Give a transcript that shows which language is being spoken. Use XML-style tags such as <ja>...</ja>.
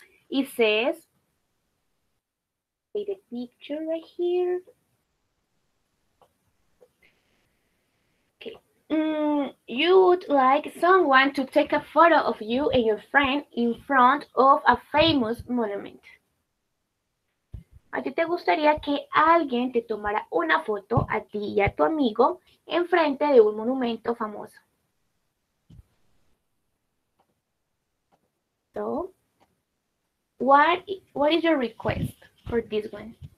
<en>It says, the picture right here. You would like someone to take a photo of you and your friend in front of a famous monument.</en> <es>¿A ti te gustaría que alguien te tomara una foto a ti y a tu amigo enfrente de un monumento famoso?</es> <en>So, what is your request for this one?</en>